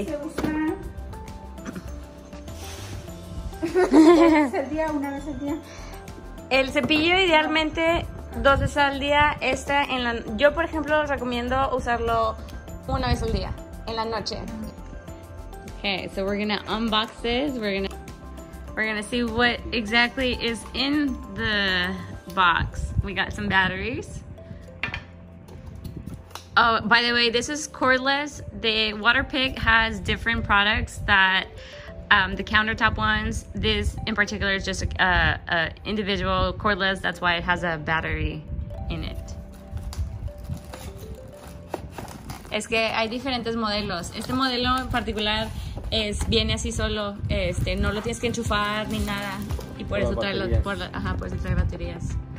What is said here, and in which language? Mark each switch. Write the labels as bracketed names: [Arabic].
[Spanish] ¿Y si se usa? ¿El día, una vez al día? El cepillo, idealmente 2 veces al día. Esta en la... Yo, por ejemplo, recomiendo usarlo 1 vez al día. En la noche. [English] Okay, so we're gonna unbox this. We're gonna see what exactly is in the box. We got some batteries. Oh, by the way, this is cordless. The water pick has different products that the countertop ones. This in particular is just a individual cordless. That's why it has a battery in it. [Spanish] Es que hay diferentes modelos. Este modelo en particular es, viene así solo, este, no lo tienes que enchufar ni nada. Y por eso trae, por eso trae baterías.